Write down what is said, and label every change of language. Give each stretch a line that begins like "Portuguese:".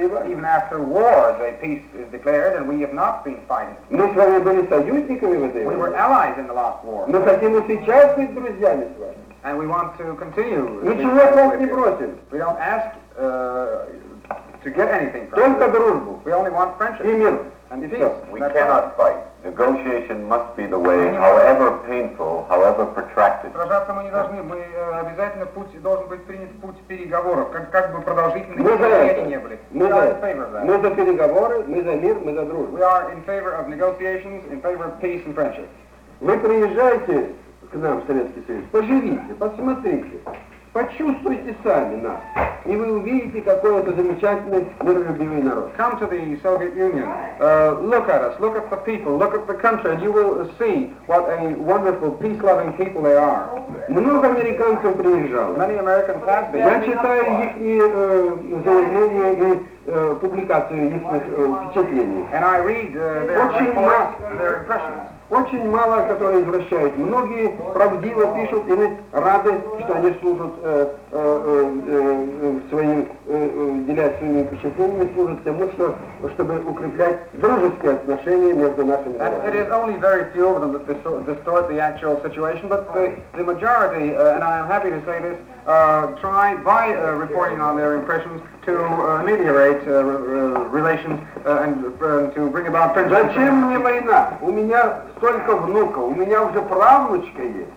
English: Even after war, the peace is declared, and we have not been fighting. We were allies in the last war.
Russian: Мы хотим и сейчас быть друзьями с вами.
English: And we want to continue.
Russian: Ничего от вас не просим.
English: We don't ask to get anything from
Russian: Только
English: you.
Russian: Дружбу.
English: We only want friendship.
Russian: И мир.
English: And peace. We cannot fight. Negotiation must be the way, however painful, however protracted.
Russian: Сражаться мы не должны. Мы обязательно путь должен быть принят путь переговоров, как бы продолжительные мы не были. Мы за переговоры, мы за мир, мы за дружбу.
English: We are in favor of negotiations, in favor of peace and friendship.
Russian: Вы приезжайте к нам в Советский Союз, поживите, посмотрите, почувствуйте сами нас, и вы увидите, какой это замечательный, миролюбивый народ.
English: Come to the Soviet Union. Look at us, look at the people, look at the country, and you will see what a wonderful, peace-loving people they are.
Russian: Много американцев приезжало.
English: Many Americans have been.
Russian: Я читаю их заявления и публикацию их впечатлений.
English: And I read their reports and their impressions.
Russian: Очень мало, которые извращают. Многие правдиво пишут, и мы рады, что они служат своим, делясь своими впечатлениями, служат тому, чтобы укреплять дружеские отношения между нашими народами.
English: It is only very few of them that distort the actual situation, but the majority, and I am happy to say this, try by reporting on their impressions to ameliorate relations and to bring about friendship.
Russian: Зачем мне война? У меня столько внуков, у меня уже правнучка есть.